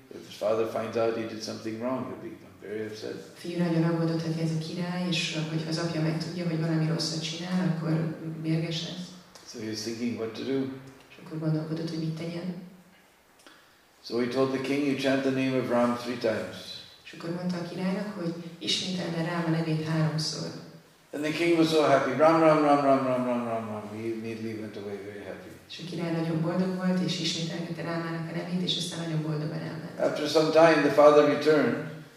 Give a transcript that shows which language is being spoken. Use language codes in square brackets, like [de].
[en] If his father finds out he did something wrong, he'll become very upset. [hu] Fiú nagyon aggódott, hogy ez a király, és hogy az apja megtudja, hogy valami rosszat csinál, akkor mérges lesz. [en] So he's thinking what to do. [hu] És akkor gondolkodott, hogy mit tegyen. [en] So he told the king, you chant the name of Ram three times. [hu] És akkor mondta a királynak, hogy ismételd el Ráma nevét háromszor. [en] And the king was so happy. Ram, Ram, Ram, Ram, Ram, Ram, Ram, Ram. He immediately went away very happy. [hu] És a király nagyon boldog volt, és ismételgette Rámának a nevét, és aztán nagyon boldogan elment. [en] After some time, the father returned.